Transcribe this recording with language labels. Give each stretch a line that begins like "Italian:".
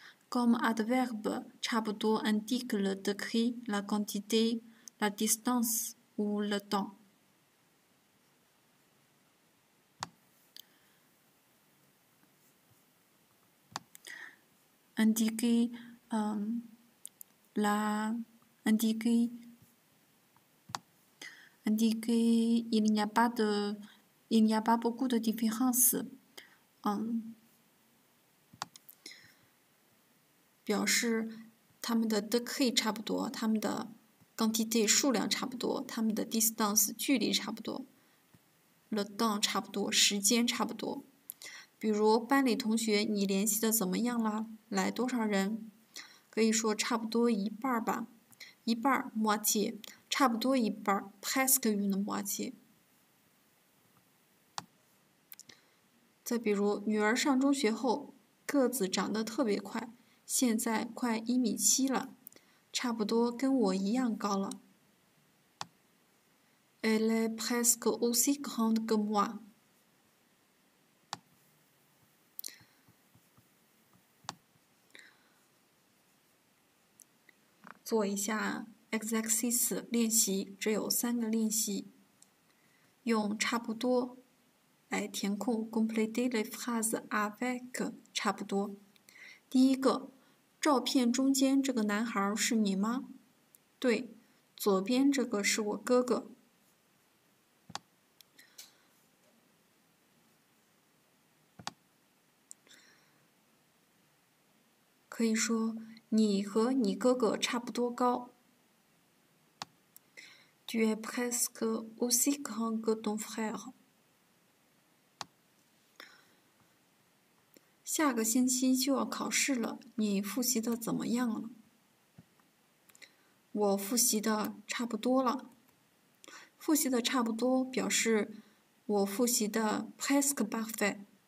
French: comme adverbe 差不多 indique le degré la quantité la distance ou le temps indiquer il n'y a pas de il n'y a pas beaucoup de différence
Chinese: 表示他们的 degré 差不多他们的 quantité 数量差不多他们的 distance 距离差不多 le temps 差不多时间差不多比如班里同学你联系的怎么样啦来多少人可以说差不多一半吧一半 moitié 差不多一半
French: presque une moitié
Chinese: 再比如女儿上中学后个子长得特别快现在快一米七了差不多跟我一样高了
French: elle est presque aussi grande que moi
Chinese: 做一下 exercise 练习，只有三个练习。用差不多来填空
French: compléter les phrases avec
Chinese: 差不多。第一个，照片中间这个男孩是你吗？对，左边这个是我哥哥。可以说你和你哥哥差不多高。
French: Tu es presque aussi grand que ton frère.
Chinese: 下个星期就要考试了，你复习的怎么样了？我复习的差不多了。复习的差不多表示我复习的
French: presque parfait。